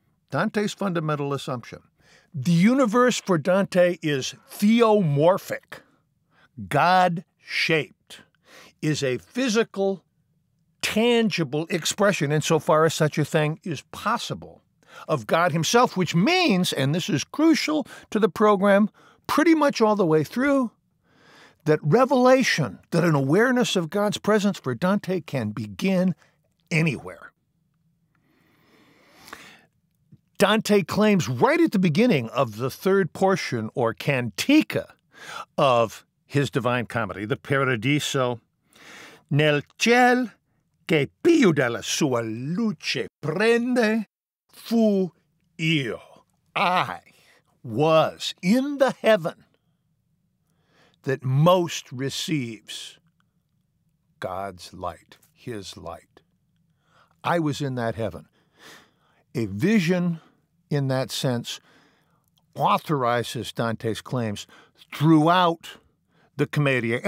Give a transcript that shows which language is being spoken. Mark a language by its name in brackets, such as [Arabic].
[English] Dante's fundamental assumption. The universe for Dante is theomorphic, God-shaped, is a physical, tangible expression, insofar as such a thing is possible, of God himself, which means, and this is crucial to the program pretty much all the way through, that revelation, that an awareness of God's presence for Dante can begin anywhere. Dante claims right at the beginning of the third portion or cantica of his Divine Comedy, the Paradiso. [Italian] Nel ciel che più della sua luce prende fu io. [English] I was in the heaven that most receives God's light, his light. I was in that heaven. A vision in that sense authorizes Dante's claims throughout the Commedia.